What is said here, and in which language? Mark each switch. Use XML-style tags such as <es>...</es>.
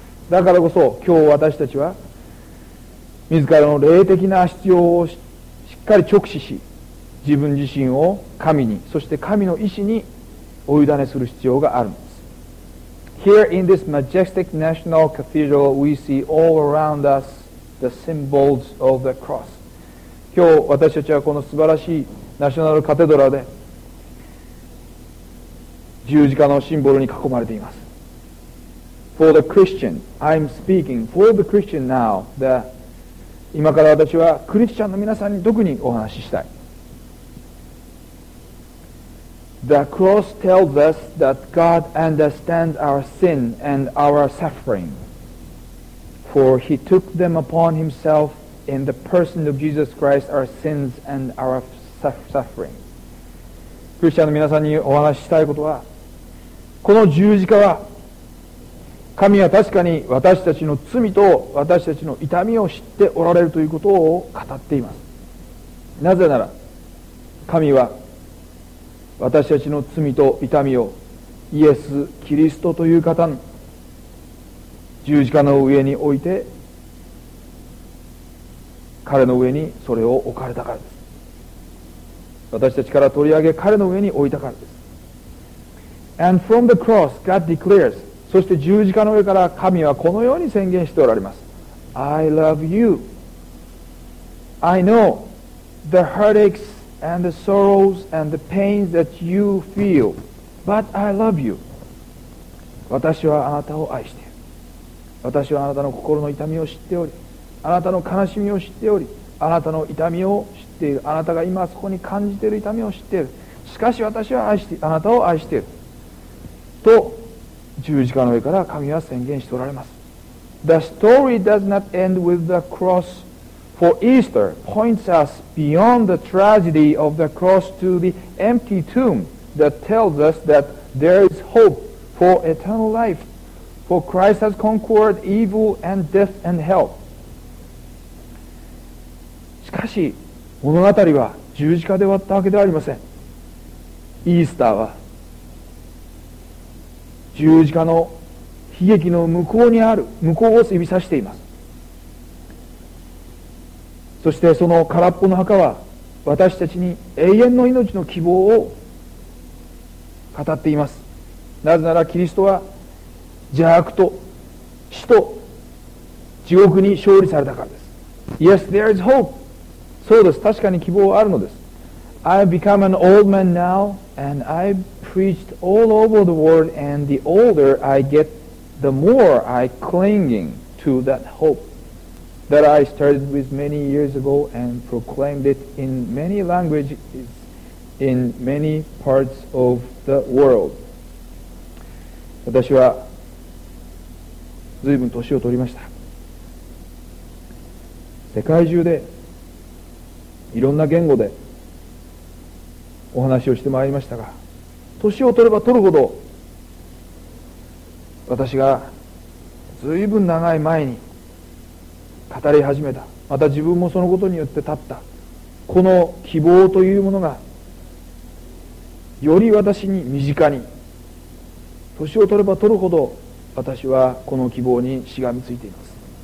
<ja>だからこそ今日私たちは自らの霊的な必要をしっかり直視し自分自身を神にそして神の意思にお委ねする必要があるんです。</ja> <en>Here in this majestic national cathedral we see all around us the symbols of the cross.</en> <ja>今日私たちはこの素晴らしいナショナルカテドラで十字架のシンボルに囲まれています。</ja> <en>For the Christian, I'm speaking for the Christian now. The</en> <ja>今から私はクリスチャンの皆さんに特にお話ししたい。</ja> <en>The cross tells us that God understands our sin and our suffering. For He took them upon Himself. In the person of Jesus Christ, our sins and our suffering.</en> <ja>クリスチャンの皆さんにお話ししたいことは、この十字架は、神は確かに私たちの罪と私たちの痛みを知っておられるということを語っています。なぜなら、神は私たちの罪と痛みをイエス・キリストという方の十字架の上に置いて、彼の上にそれを置かれたからです。私たちから取り上げ彼の上に置いたからです。</ja> <en>And from the cross, God declares,</en> <ja>そして十字架の上から神はこのように宣言しておられます。</ja> <en>I love you, I know the heartaches and the sorrows and the pains that you feel, but I love you.</en> <ja>私はあなたを愛している。私はあなたの心の痛みを知っており、あなたの悲しみを知っており、あなたの痛みを知っている。あなたが今そこに感じている痛みを知っている。しかし私は愛して、あなたを愛している。と十字架の上から神は宣言しておられます。</ja> <en>The story does not end with the cross, for Easter points us beyond the tragedy of the cross to the empty tomb that tells us that there is hope for eternal life, for Christ has conquered evil and death and hell.</en> <ja>しかし物語は十字架で終わったわけではありません。イースターは十字架の悲劇の向こうにある、向こうを指さしています。そしてその空っぽの墓は私たちに永遠の命の希望を語っています。なぜならキリストは邪悪と死と地獄に勝利されたからです。</ja> <en>Yes, there is hope.</en> <ja>そうです、確かに希望はあるのです。</ja> <en>I've become an old man now and I've preached all over the world and the older I get, the more I'm clinging to that hope that I started with many years ago and proclaimed it in many languages in many parts of the world.</en> <ja>私は随分年を取りました。世界中でいろんな言語でお話をしてまいりましたが、年を取れば取るほど私がずいぶん長い前に語り始めた、また自分もそのことによって立ったこの希望というものがより私に身近に、年を取れば取るほど私はこの希望にしがみついています。</ja>